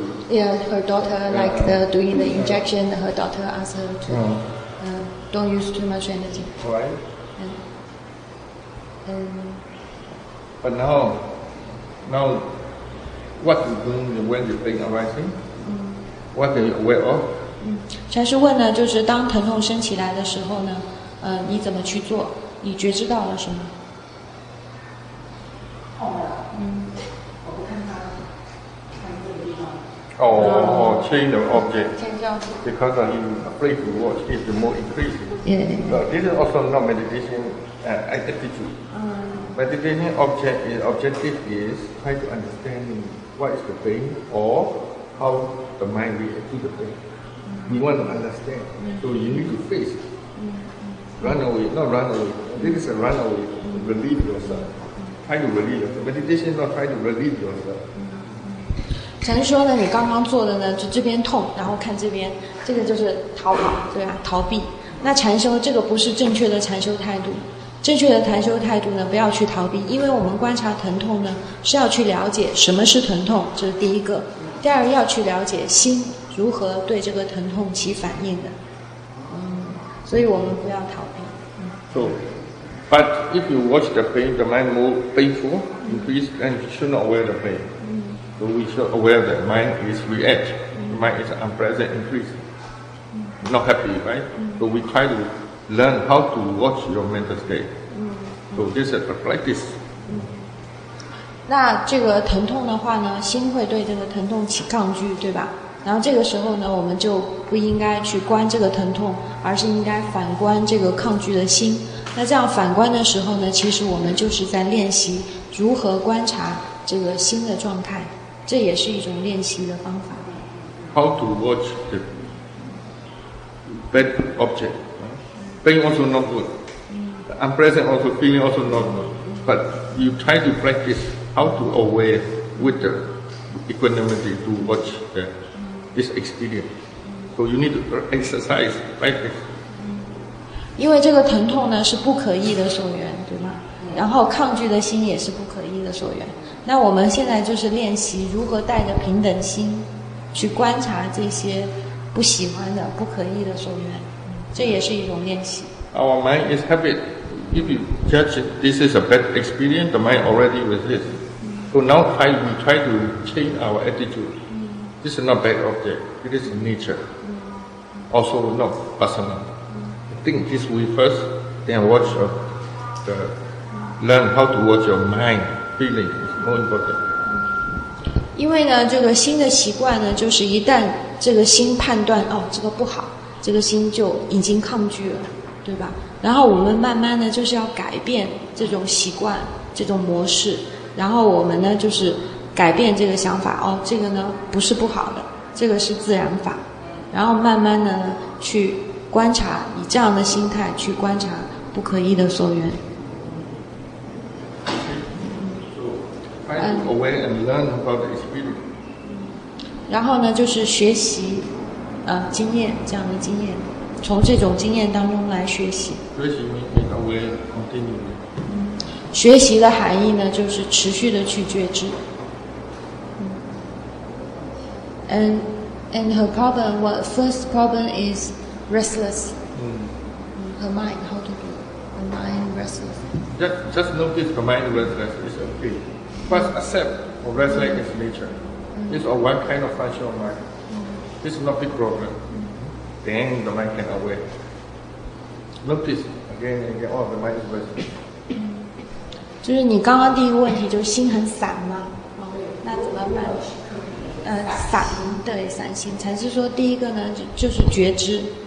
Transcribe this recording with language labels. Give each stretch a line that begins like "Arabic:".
English: yeah, her daughter like the doing the injection. Her daughter asked her to don't use too much energy. Right. But now, what you doing when the pain arising? What are you aware of?
Chinese: 禅师问呢，就是当疼痛升起来的时候呢，你怎么去做？你觉知到了什么？痛了。我不看它，看这个地方。
English: Change the object. Change the object. Because I'm afraid to watch, it's the more increasing. Yeah. But this is also not meditation. Attitude. Meditation objective is try to understand what is the pain or how the mind reacts to the pain. You want to understand. So you need to face it. Run away, not run away. This is a run away. Relieve yourself. Try to relieve yourself. Meditation is not try to relieve yourself.
Chinese: 禅师说呢，你刚刚做的呢，就这边痛，然后看这边，这个就是逃跑，对吧？逃避。那禅修这个不是正确的禅修态度。正确的禅修态度呢，不要去逃避，因为我们观察疼痛呢，是要去了解什么是疼痛，这是第一个。第二，要去了解心如何对这个疼痛起反应的。所以我们不要逃避。
English: So, but if you watch the pain, the mind move painful, increase, then you should not aware the pain. So we should aware that mind is react, mind is unpleasant, increase, not happy, right? So we try to. Learn how to watch your mental state. So this is a practice.
Chinese: 那这个疼痛的话呢，心会对这个疼痛起抗拒，对吧？然后这个时候呢，我们就不应该去观这个疼痛，而是应该反观这个抗拒的心。那这样反观的时候呢，其实我们就是在练习如何观察这个心的状态，这也是一种练习的方法。
English: How to watch the bad object? Pain also not good. Unpleasant also, feeling also not good. But you try to practice how to aware with the equanimity to watch the, this experience. So you need to exercise, practice.
Chinese: 因为这个疼痛呢是不可抑的所缘，对吗？然后抗拒的心也是不可抑的所缘。那我们现在就是练习如何带着平等心去观察这些不喜欢的、不可抑的所缘。这也是一种练习。
English: Our mind is habit. if you judge it, this is a bad experience, the mind already resists. Mm. So now we try to change our attitude. Mm. This is not bad object, it is nature. Mm. Also not personal. Mm. Think this way first, then watch your, learn how to watch your mind, feeling is more important.
Chinese: 因为呢，这个新的习惯呢，就是一旦这个心判断哦，这个不好，这个心就已经抗拒了，对吧？然后我们慢慢的就是要改变这种习惯、这种模式，然后我们呢就是改变这个想法哦，这个呢不是不好的，这个是自然法，然后慢慢的去观察，以这样的心态去观察不可依的所缘。
English: Find aware and learn about the experience.
Chinese: 然后呢，就是学习，经验这样的经验，从这种经验当中来学习。
English: 学习 means aware continually.
Chinese: 学习的含义呢，就是持续的去觉知。
English: And her problem, what first problem is restless. Her mind, how to do? Her mind restless. Just notice her mind restless is okay. First, accept or resonate its nature. Mm-hmm. It's all one kind of function of mind. Mm-hmm. It's not a big problem. Mm-hmm. Then the mind can aware. Notice again and again, the mind is resonating.
Chinese: 就是你刚刚第一个问题就是心很散吗？那怎么办？散，对，散心。才是说第一个呢，就是觉知。